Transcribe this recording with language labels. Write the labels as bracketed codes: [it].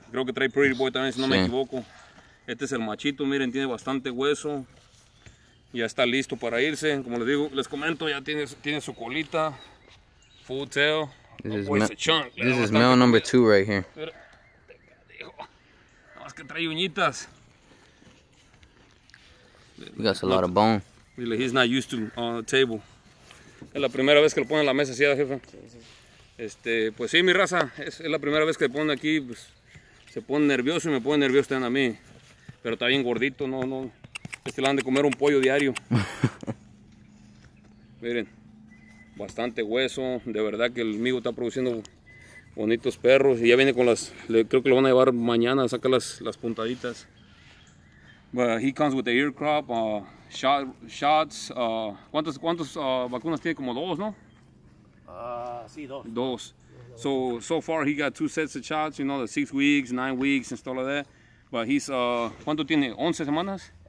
[es] Creo que trae Pretty Boy también, si no me equivoco. Este es el machito, miren, tiene bastante hueso. Ya está listo para irse. Como les digo, les comento, ya tiene su colita. [en] Full tail. This no is, this is male number two right here. [es] Nada más que trae uñitas. [en] We got a lot of bone. Really, he's not used to on the table. [es] Es la primera vez que lo pone en la mesa, ¿sí, jefe? Pues sí, mi raza, es la primera vez que le pone aquí, pues se pone nervioso y me pone nervioso también a mí. Pero está bien gordito, no. Le han de comer un pollo diario. Miren, bastante hueso, de verdad que el Migo está produciendo bonitos perros. Y ya viene con creo que lo van a llevar mañana a sacar las puntaditas. [en] But he comes with the ear crop, shots. [es] ¿Cuántos vacunas tiene? Como dos, ¿no? Sí, dos. Dos. [en] So far he got two sets of shots, you know, the 6 weeks, 9 weeks, and stuff like that. But he's, [es] ¿cuánto tiene? 11 semanas?